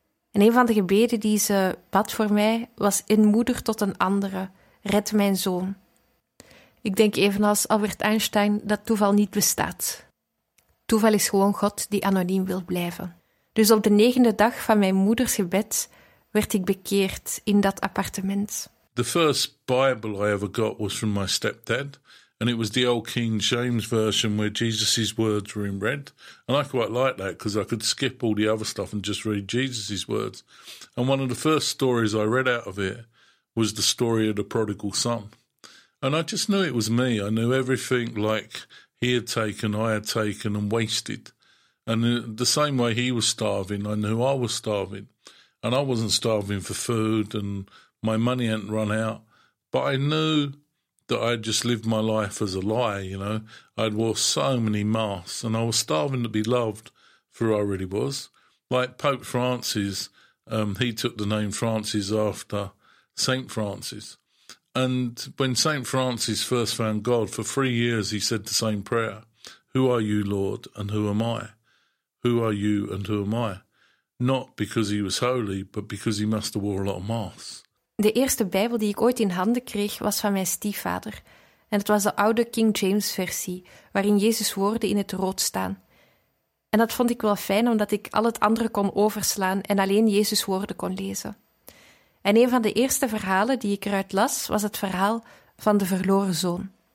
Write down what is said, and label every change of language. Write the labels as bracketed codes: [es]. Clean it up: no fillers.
[nl] En een van de gebeden die ze bad voor mij was een moeder tot een andere, red mijn zoon. Ik denk evenals Albert Einstein dat toeval niet bestaat. Toeval is gewoon God die anoniem wil blijven. Dus op de 9e dag van mijn moeders gebed werd ik bekeerd in dat appartement. [en] The first Bible I ever got was from my stepdad. And it was the old King James version where Jesus' words were in red. And I quite liked that because I could skip all the other stuff and just read Jesus' words. And one of the first stories I read out of it was the story of the prodigal son. And I just knew it was me. I knew everything like he had taken, I had taken and wasted. And the same way he was starving, I knew I was starving. And I wasn't starving for food and my money hadn't run out, but I knew that I had just lived my life as a liar, you know. I'd wore so many masks, and I was starving to be loved for who I really was. Like Pope Francis, he took the name Francis after St. Francis. And when St. Francis first found God, for 3 years he said the same prayer, "Who are you, Lord, and who am I? Who are you and who am I?" Not because he was holy, but because he must have wore a lot of masks. [nl] De eerste Bijbel die ik ooit in handen kreeg, was van mijn stiefvader. En het was de oude King James-versie, waarin Jezus' woorden in het rood staan. En dat vond ik wel fijn, omdat ik al het andere kon overslaan en alleen Jezus' woorden kon lezen. En een van de eerste verhalen die ik eruit las, was het verhaal van de verloren zoon.